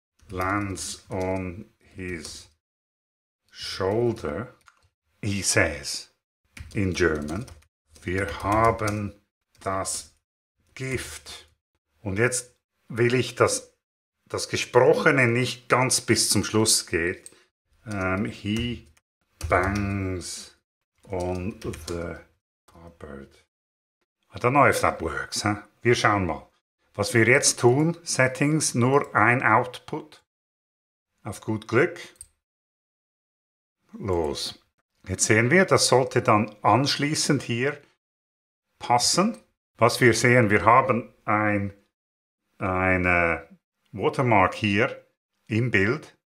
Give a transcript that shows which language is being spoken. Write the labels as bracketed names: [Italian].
[English] Lands on his shoulder, he says in German. [German] Wir haben das Gift. Und jetzt will ich, dass das Gesprochene nicht ganz bis zum Schluss geht. [English] He bangs on the cupboard. I don't know if that works. [German] Huh? Wir schauen mal. Was wir jetzt tun, Settings, nur ein Output. Auf gut Glück. Los. Jetzt sehen wir, das sollte dann anschließend hier passen. Was wir sehen, wir haben eine Watermark hier im Bild.